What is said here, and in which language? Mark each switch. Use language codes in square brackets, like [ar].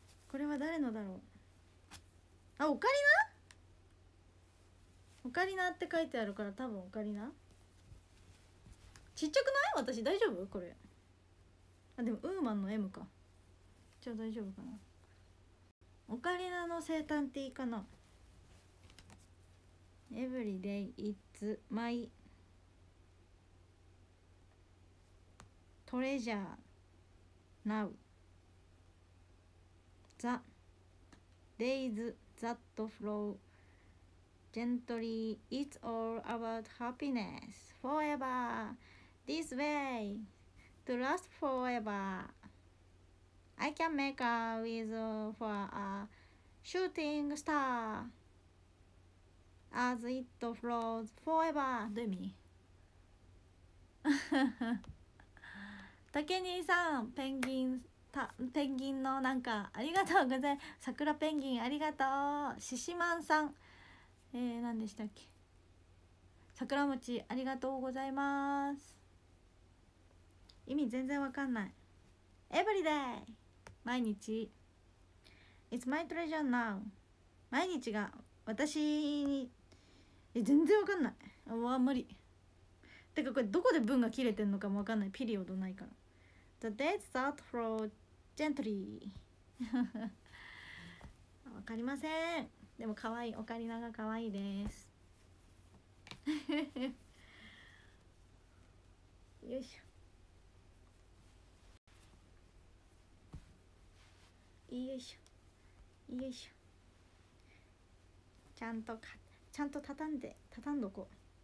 [ja] これは誰のだろう。あ、オカリナ、オカリナって書いてあるから多分オカリナ。ちっちゃくない？私大丈夫これ。あ、でもウーマンの M か、じゃあ大丈夫かな。オカリナの生誕ティーかな。 [en] Every day it's my treasure now The days that flow gently It's all about happiness forever This way to last forever I can make a wish for a shooting star As it flows forever [ja] どういう意味。タケニーさん、ペンギン、ペンギンのなんかありがとうございます。桜ペンギンありがとう。シシマンさん、何でしたっけ、桜餅ありがとうございます。意味全然わかんない。 [en] Every day [ja] 毎日、 [en] It's my treasure now [ja] 毎日が私に、え、全然わかんない、うわ無理。てかこれどこで文が切れてんのかもわかんない、ピリオドないから。 [en] The days that flow gently [ja] わかりません。でも可愛い、オカリナが可愛いです。よいしょ、よいしょ、よいしょ、ちゃんとか、ちゃんと畳んで、畳んどこう。